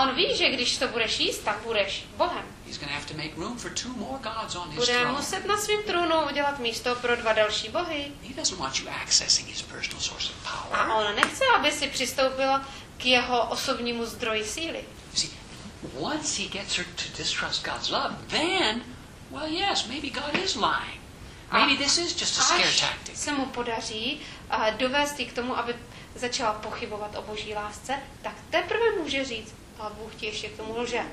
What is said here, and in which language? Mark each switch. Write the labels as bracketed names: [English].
[Czech] on ví, že když to budeš jíst, tak budeš Bohem. [English] He's going to have to make room for two more gods on his throne. [Czech] Bude muset na svém trůnu udělat místo pro dva další bohy. [English] He doesn't want you accessing his personal source of power. [Czech] A on nechce, aby si přistoupila k jeho osobnímu zdroji síly. [English] See, once he gets her to distrust God's love, then, well, yes, maybe God is lying. Maybe this is just a scare tactic. [Czech] Se mu podaří dovést ji k tomu, aby začala pochybovat o Boží lásce, tak teprve může říct, a Bůh ti ještě k tomu lže.